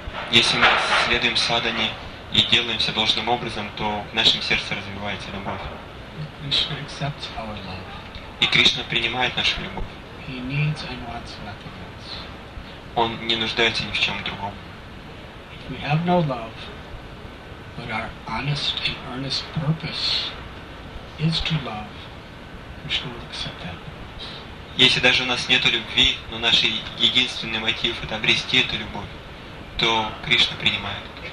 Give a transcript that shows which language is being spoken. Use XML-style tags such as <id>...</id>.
<ru>Если мы следуем садхане и делаемся должным образом, то в нашем сердце развивается любовь.</ru> <en>Krishna accepts our love.</en> <ru>И Кришна принимает нашу любовь.</ru> <en>He needs and wants nothing else.</en> <ru>Он не нуждается ни в чем другом.</ru> <en>We have no love, but our honest and earnest purpose is to love. Krishna will accept that purpose.</en> <ru>Если даже у нас нет любви, но наш единственный мотив – это обрести эту любовь, то Кришна принимает.</ru>